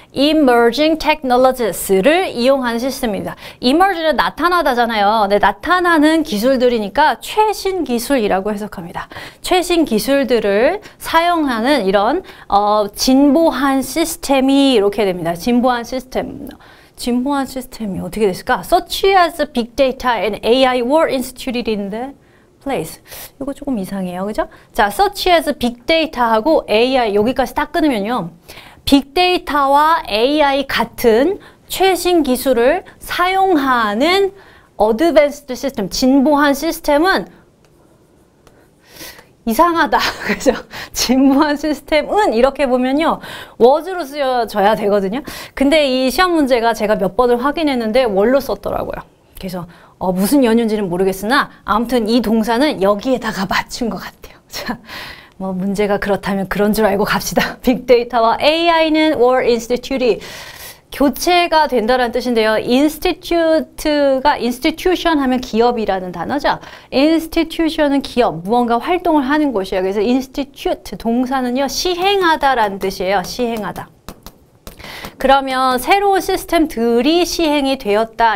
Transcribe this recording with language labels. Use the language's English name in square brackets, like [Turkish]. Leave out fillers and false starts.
[Korean] Emerging technologies를 이용하는 시스템입니다. Emerge는 나타나다잖아요. 네, 나타나는 기술들이니까 최신 기술이라고 해석합니다. 최신 기술들을 사용하는 이런 진보한 시스템이 이렇게 됩니다. 진보한 시스템. 진보한 시스템이 어떻게 됐을까? [English] Such as big data and AI were instituted in the place. [Korean] 이거 조금 이상해요. 그죠? 자, search as big data하고 AI 여기까지 다 끊으면요. 빅데이터와 AI 같은 최신 기술을 사용하는 advanced system, 진보한 시스템은 이상하다. 그죠? 진보한 시스템은 이렇게 보면요. was로 쓰여져야 되거든요. 근데 이 시험 문제가 제가 몇 번을 확인했는데 were로 썼더라고요. 그래서 무슨 연유인지는 모르겠으나 아무튼 이 동사는 여기에다가 맞춘 것 같아요. 자, 뭐 문제가 그렇다면 그런 줄 알고 갑시다. 빅데이터와 AI는 [English] were instituted. [Korean] 교체가 된다라는 뜻인데요. institute가 institution 하면 기업이라는 단어죠. institution은 기업, 무언가 활동을 하는 곳이에요. 그래서 institute, 동사는요, 시행하다라는 뜻이에요. 시행하다. 그러면 새로운 시스템들이 시행이 되었다.